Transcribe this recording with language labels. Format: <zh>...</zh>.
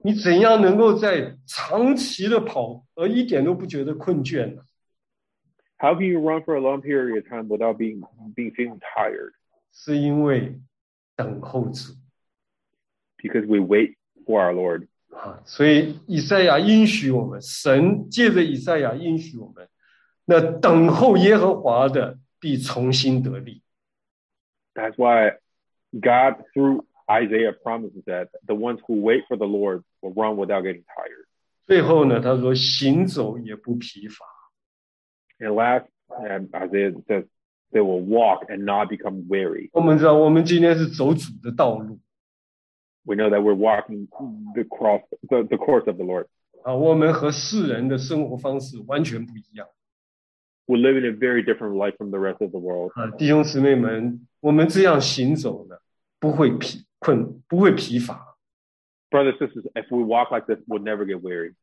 <zh>你怎样能够在长期的跑, 而一点都不觉得困倦呢?</zh> <en>How can you run for a long period of time without being tired?</en> <zh>是因为等候主。</zh> <en>Because we wait for our Lord.</en> <zh>所以以赛亚应许我们, 神借着以赛亚应许我们, 那等候耶和华的必重新得力。</zh> <en>That's why God, through Isaiah, promises that the ones who wait for the Lord will run without getting tired.</en> <zh>最后呢, 他说, 行走也不疲乏。</zh> <en>And last, Isaiah says, they will walk and not become weary.</en> <zh>我们知道我们今天是走主的道路。</zh> <en>We know that we're walking the course of the Lord.</en> <zh>我们和世人的生活方式完全不一样。</zh> <en>We live in a very different life from the rest of the world.</en> <zh>弟兄姊妹们, 我们这样行走呢,不会疲乏。</zh> <en>Brothers and sisters, if we walk like this, we'll never get weary.</en>